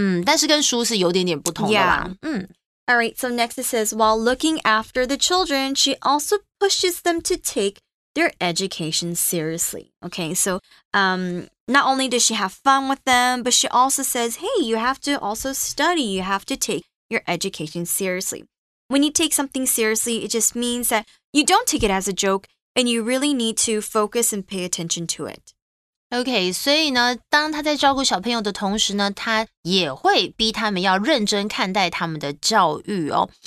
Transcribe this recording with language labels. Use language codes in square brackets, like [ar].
[zh] 但是跟书是有点点不同的啦。 [en] Yeah. All right, so next it says, while looking after the children, she also pushes them to take their education seriously. Okay, so, Not only does she have fun with them, but she also says, hey, you have to also study. You have to take your education seriously. When you take something seriously, it just means that you don't take it as a joke and you really need to focus and pay attention to it. [zh] Okay, 所以呢，当她在照顾小朋友的同时呢，她也会逼他们要认真看待他们的教育哦。